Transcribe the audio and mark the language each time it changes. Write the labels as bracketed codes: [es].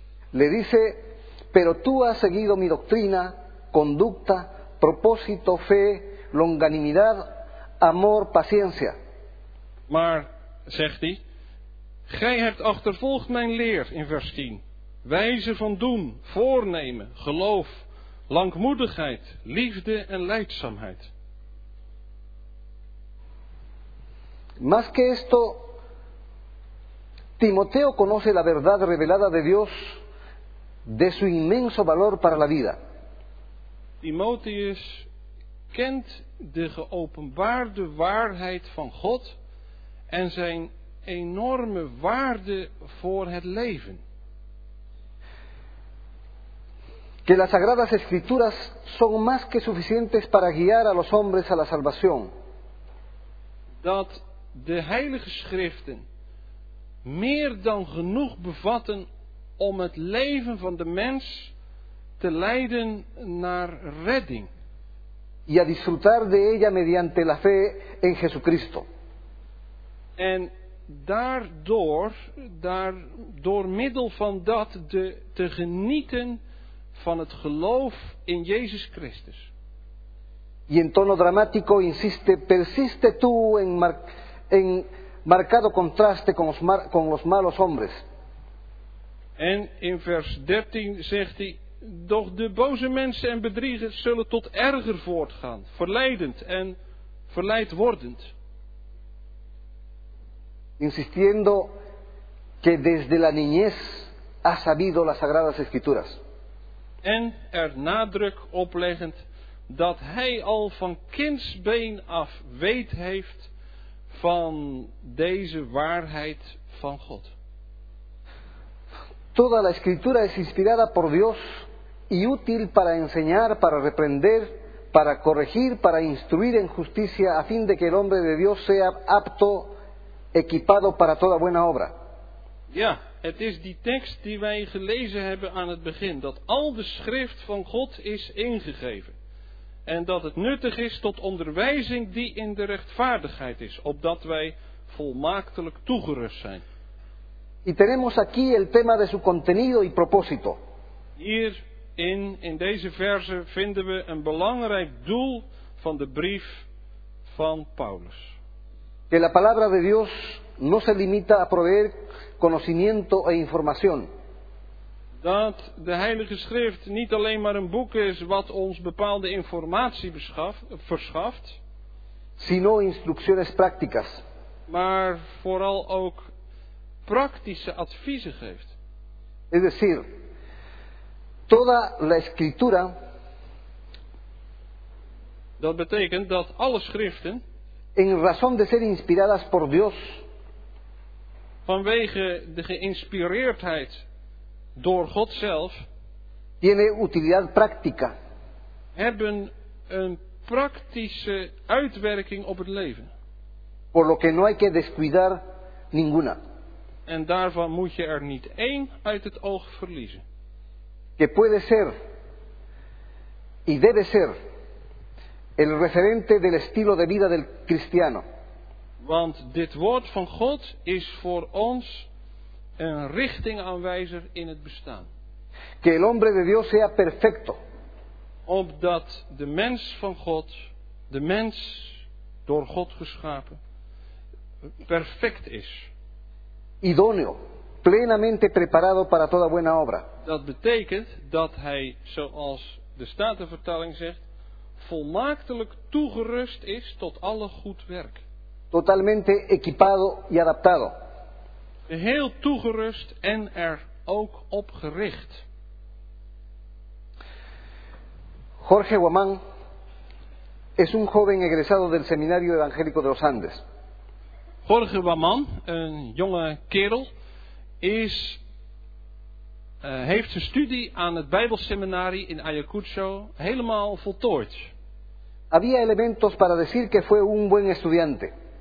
[es] Le dice, pero tú has seguido mi doctrina, conducta, propósito, fe, longanimidad, amor, paciencia. [nl] Maar, zegt hij, gij hebt achtervolgd mijn leer, in vers 10, wijze van doen, voornemen, geloof, langmoedigheid, liefde en leidzaamheid. [es] Más que esto, Timoteo conoce la verdad revelada de Dios de su inmenso valor para la vida. [nl] Timotheus kent de geopenbaarde waarheid van God en zijn enorme waarde voor het leven. [es] que las Sagradas Escrituras son más que suficientes para guiar a los hombres a la salvación. [nl] Dat de Heilige Schriften meer dan genoeg bevatten om het leven van de mens te leiden naar redding. [es] Y a disfrutar de ella mediante la fe en Jesucristo. [nl] En daardoor middel van dat te genieten van het geloof in Jezus Christus. [es] Y en tono dramático insiste, persiste tú en marcado contraste con los malos hombres. [nl] En in vers 13 zegt hij: doch de boze mensen en bedriegers zullen tot erger voortgaan, verleidend en verleid wordend. [es] Insistiendo que desde la niñez ha sabido las Sagradas Escrituras. [nl] En er nadruk opleggend dat hij al van kindsbeen af weet heeft van deze waarheid van God. [es] Toda la escritura es inspirada por Dios y útil para enseñar, para reprender, para corregir, para instruir en justicia, a fin de que el hombre de Dios sea apto, equipado para toda buena obra. [nl] Ja, het is die tekst die wij gelezen hebben aan het begin, dat al de schrift van God is ingegeven. En dat het nuttig is tot onderwijzing die in de rechtvaardigheid is, opdat wij volmaaktelijk toegerust zijn. [es] Y tenemos aquí el tema de su contenido y propósito. [nl] Hier in deze verse vinden we een belangrijk doel van de brief van Paulus. [es] Que la palabra de Dios no se limita a proveer conocimiento e información. [nl] Dat de Heilige Schrift niet alleen maar een boek is wat ons bepaalde informatie verschaft. [es] Sino instrucciones prácticas. [nl] Maar vooral ook praktische adviezen geeft. [es] Es decir, toda la escritura. [nl] Dat betekent dat alle schriften. [es] En razón de ser inspiradas por Dios. [nl] Vanwege de geïnspireerdheid. Door God zelf. [es] Tiene utilidad práctica. [nl] Hebben een praktische uitwerking op het leven. [es] Por lo que no hay que descuidar ninguna. [nl] En daarvan moet je er niet één uit het oog verliezen. [es] Que puede ser y debe ser el referente del estilo de vida del cristiano. [nl] Want dit woord van God is voor ons een richtingaanwijzer in het bestaan. [es] Que el hombre de Dios sea perfecto. [nl] Opdat de mens van God, de mens door God geschapen, perfect is. [es] Idóneo, plenamente preparado para toda buena obra. [nl] Dat betekent dat hij, zoals de Statenvertaling zegt, volmaaktelijk toegerust is tot alle goed werk. [es] Totalmente equipado y adaptado. [nl] Heel toegerust en er ook op gericht. [es] Jorge Guamán es un joven egresado del Seminario Evangélico de los Andes. [nl] Jorge Guamán, een jonge kerel, heeft zijn studie aan het Bijbelseminarie in Ayacucho helemaal voltooid. [es] Había elementos para decir que fue un buen estudiante.